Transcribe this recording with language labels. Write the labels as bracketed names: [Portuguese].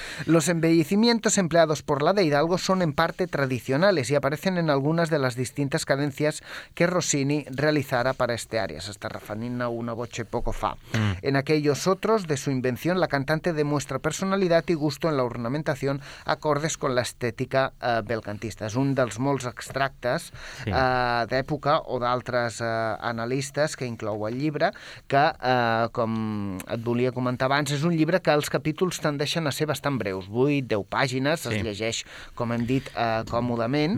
[Spanish] Los embellecimientos empleados por la de Hidalgo son en parte tradicionales y aparecen en algunas de las distintas cadencias que Rossini realizara para este área. Se está refaniendo una voce poco fa. En aquellos otros de su invención, la cantante demuestra personalidad y gusto en la ornamentación acordes con la estética belcantista. [Catalan] És un dels molts extractes d'època o d'altres analistes que inclou el llibre, que com et volia comentar abans, és un llibre que els capítols tendeixen a ser bastant breus, 8-10 pàgines, es llegeix, com hem dit, còmodament.